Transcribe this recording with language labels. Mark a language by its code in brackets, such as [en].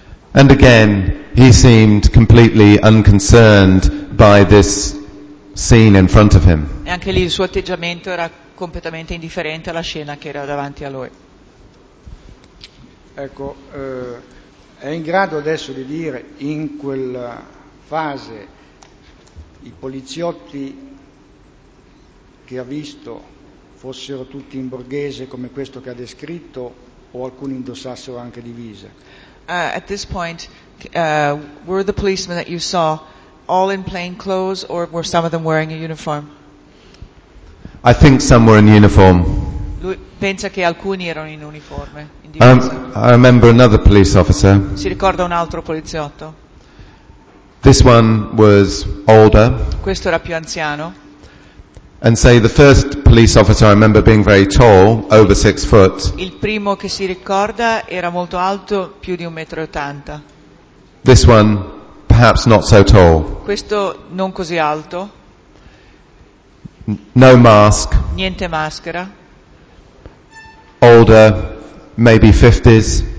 [en] And again, he seemed completely unconcerned by this scene in front of him. [it] E anche lì il suo atteggiamento era completamente indifferente alla scena che era davanti a lui. Ecco, è in grado adesso di dire in quella fase i poliziotti che ha visto fossero tutti in borghese come questo che ha descritto o alcuni indossassero anche divise? [en] At this point, were the policemen that you saw all in plain clothes or were some of them wearing a uniform? I think some were in uniform. [it] Lui pensa che alcuni erano in uniforme. [en] I remember another police officer. [it] Si ricorda un altro poliziotto. [en] This one was older. [it] Questo era più anziano. [en] And say the first police officer I remember being very tall, over 6 foot. [it] Il primo che si ricorda era molto alto, più di 1,80 m. [en] This one, perhaps not so tall. [it] Questo non così alto. [en] No mask. [it] Niente maschera. [en] Older, maybe 50s.